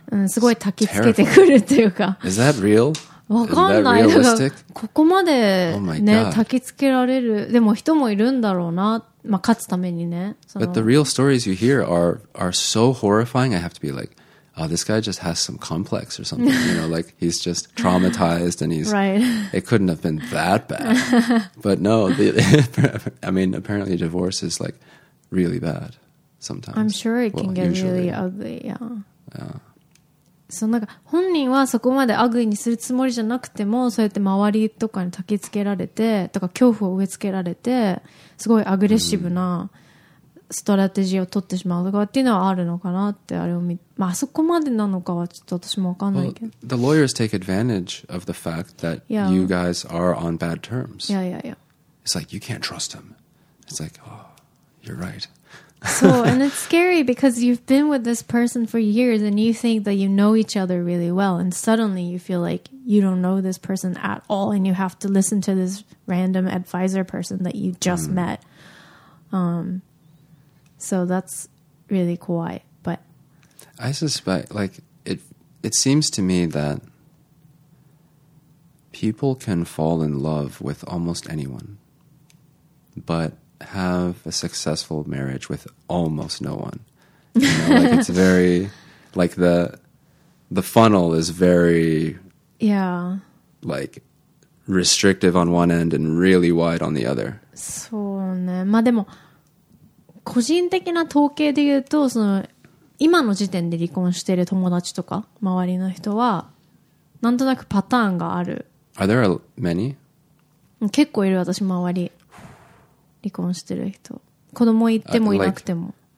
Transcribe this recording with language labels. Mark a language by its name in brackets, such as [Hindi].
[Japanese] うん、すごい焚きつけてくるというか。 [English] Is that real? [Japanese] わかんない。だからここまでね、焚きつけられる。でも人もいるんだろうな。まあ、勝つためにね。 [English] But the real stories you hear are so horrifying, I have to be like,Oh, this guy just has some complex or something, you know, like he's just traumatized and he's, right. It couldn't have been that bad. But no, I mean, apparently divorce is like really bad sometimes. I'm sure it can get really ugly, yeah. Yeah. [Japanese] So, なんか本人はそこまで ugly にするつもりじゃなくても、そうやって周りとかに焚きつけられて、とか恐怖を植え付けられて、すごいアグレッシブな、ストラテジーを取ってしまうとかっていうのはあるのかなってあれを見、まあそこまでなのかはちょっと私もわかんないけど。 [English] Well, the lawyers take advantage of the fact that you guys are on bad terms. Yeah, yeah, yeah. It's like you can't trust him. It's like, oh, you're right. So, and it's scary because you've been with this person for years and you think that you know each other really well, and suddenly you feel like you don't know this person at all and you have to listen to this random advisor person that you just met. So that's really quiet, but I suspect, like, it seems to me that people can fall in love with almost anyone, but have a successful marriage with almost no one. You know, like, it's very, like, the funnel is very, yeah, like, restrictive on one end and really wide on the other. [Japanese] そうね。まあでも個人的な統計で言うと、その今の時点で離婚してる友達とか周りの人はなんとなくパターンがある。 [English] Are there many? [Japanese] 結構いる。私周り離婚してる人、子供いてもいなくても、